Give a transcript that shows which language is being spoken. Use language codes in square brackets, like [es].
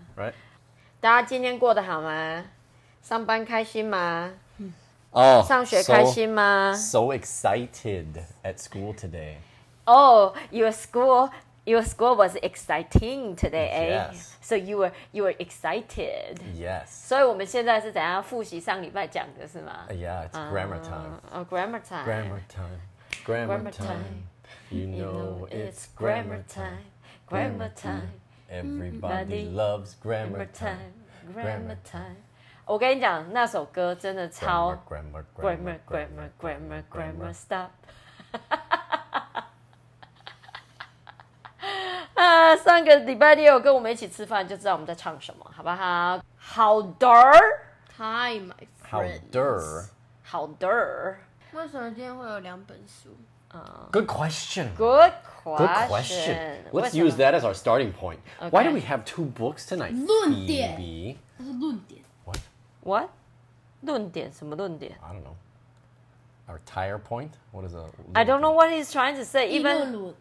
[en] Right. [zh] 大家今天过得好吗？上班开心吗？ [en] Oh, [zh] 上学开心吗 [en] so excited at school today. Oh, your school was exciting today, eh? Yes. So you were excited. Yes. [zh] 所以我们现在是怎样复习上礼拜讲的是吗 [en] Yeah, it's grammar time. Oh, grammar time. Grammar time. Grammar time. You know it's grammar time. Grammar time. Everybody loves grammar time. Grammar time. [zh] 我跟你讲，那首歌真的超 [en] grammar grammar grammar grammar grammar stop [zh] 啊！上个礼拜六跟我们一起吃饭，就知道我们在唱什么，好不好 ？ [en] How dare Hi my friends How dare How dare [zh] 为什么今天会有两本书？ [en] Good question. Good question. Good question. Let's use that as our starting point.、 Okay. Why do we have two books tonight? [zh] 论点，它是论点。 [en] What? [zh] 论点什么论点 [en] I don't know. Our tire point? What is a... I don't know what he's trying to say. Even...